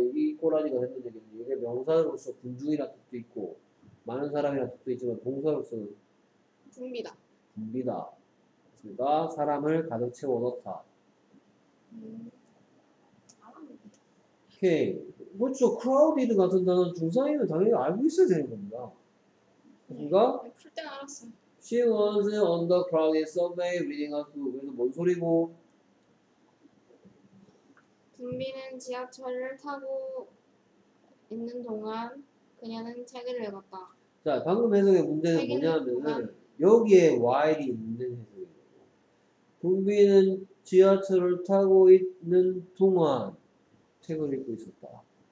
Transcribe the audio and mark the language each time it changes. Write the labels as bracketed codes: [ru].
[ko] 이게 이 꼬라지가 했는데 이게 명사로서 군중이라는 뜻도 있고 많은 사람이라 뜻도 있지만 동사로서는 붐비다. 붐비다. 그러니까 사람을 가득 채워 넣다. 오케이. 그렇죠. 크라우디드 같은 단어 중상이면 당연히 알고 있어야 되는 겁니다. 그러니까 풀 때 알았어. [en] She was on the crowded subway reading a book. [ko] 그래서 뭔 소리고? 붐비는 지하철을 타고 있는 동안 그녀는 책을 읽었다. 자, 방금 해석의 문제는 뭐냐면은 여기에 while이 있는 해석이에요. 붐비는 지하철을 타고 있는 동안 책을 읽고 있었다.